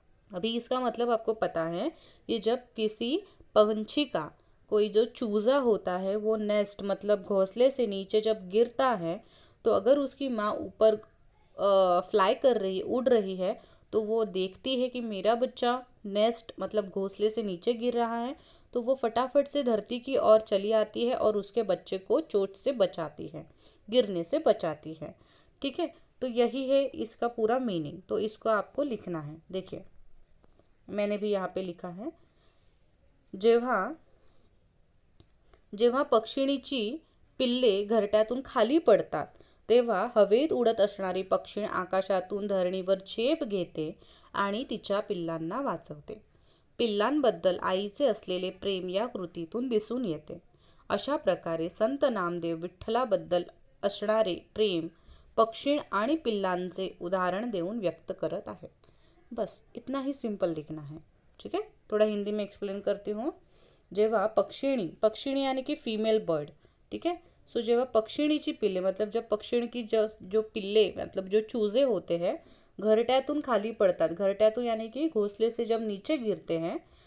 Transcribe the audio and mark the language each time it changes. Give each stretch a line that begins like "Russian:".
Hindi: अभी इसका मतलब आपको पता है, ये जब किसी पंछी का कोई जो चूजा होता है वो नेस्ट मतलब घोंसले से नीचे जब गिरता है, तो अगर उसकी माँ ऊपर फ्लाई कर रही है, उड़ रही है, तो वो देखती है कि मेरा बच्चा नेस्ट मतलब घोंसले से नीचे गिर रहा है, तो वो फटाफट से धरती की ओर चली आती है और उसके बच्चे को चोट से बचाती है, गिरने से बचाती है। ठीक है, तो यही है इसका पूरा मीनिंग, तो इसको आपको लिखना है।
Marathi: देखिए मैंने भी यहाँ पे लिखा है, जेव्हा जेव्हा पक्षिणीची पिल्ले घरट्यातून खाली पडतात, तेव्हा हवेत उडत असणारी पक्षिणी आकाशातून धरणीवर झेप घेते आणि तिच्या पिल्लांना वाचवते। पिल्लांबद्दल आईचे असलेले प्रेम या कृतीतून दिसून येते। अशा प्रकारे संत नामदेव विठ्ठलाबद्दल असणारे प्रेम पक्षीण आणि पिल्लांचे उदाहरण देऊन व्यक्त करत आहे।
Hindi: बस इतना ही सिंपल लिखना है। ठीक है, थोड़ा हिंदी में एक्सप्लेन करती हूँ। जेव्हा पक्षिणी, पक्षिणी यानी कि फीमेल बर्ड, ठीक है, सो
Marathi: जेव्हा पक्षिणीची पिल्ले
Hindi: मतलब जब पक्षिणी की जो पिल्ले मतलब जो चूजे होते हैं
Marathi: घरट्यातून खाली पड़तात,
Hindi: घरट्यातून यानी कि घोंसले से जब नीचे गिरते हैं,